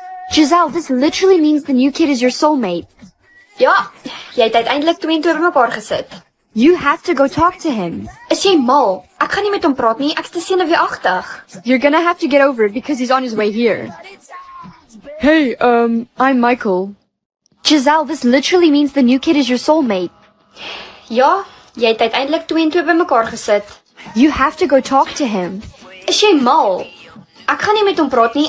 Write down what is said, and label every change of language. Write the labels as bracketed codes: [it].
[en] Jezelle, this literally means the new kid is your soulmate. [af] Ja, jy het uiteindelik 2 en 2 bymekaar gesit. [en] You have to go talk to him. [af] Is jy mal? Ek gaan nie met hom praat nie, ek is te senuweeagtig. [en] You're gonna have to get over it because he's on his way here. Hey, I'm Michael. Jezelle, this literally means the new kid is your soulmate. [af] Ja, jy het uiteindelik 2 en 2 bymekaar gesit. [en] You have to go talk to him. [af] Is jy mal? Ek gaan nie met hom praat nie.